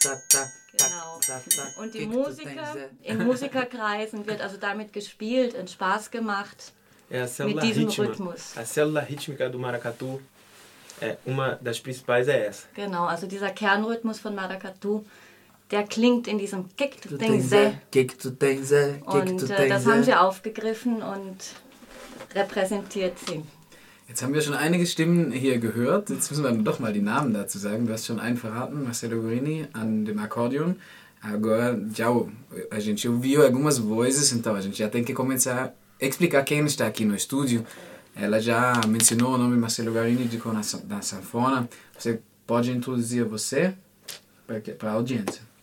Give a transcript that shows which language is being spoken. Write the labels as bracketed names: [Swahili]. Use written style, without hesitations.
[German] Genau. Und die Musiker, in Musikerkreisen wird also damit gespielt und Spaß gemacht mit diesem Rhythmus. [Portuguese] A célula rítmica do maracatu, uma das principais é essa. [German] Genau, also dieser Kernrhythmus von maracatu, der klingt in diesem Kek-tu-tenze. Kek-tu-tenze. Und das haben sie aufgegriffen und repräsentiert sie. Jetzt haben wir schon einige Stimmen hier gehört. Jetzt müssen wir doch mal die Namen dazu sagen. Du hast schon einen verraten, Marcelo Guerini, an dem Akkordeon. [Portuguese] Agora, já a gente ouviu algumas vozes, então a gente já tem que começar a explicar quem está aqui no estúdio. Ela já mencionou o nome Marcelo Guerini de da sanfona. Você pode introduzir você para a audiência.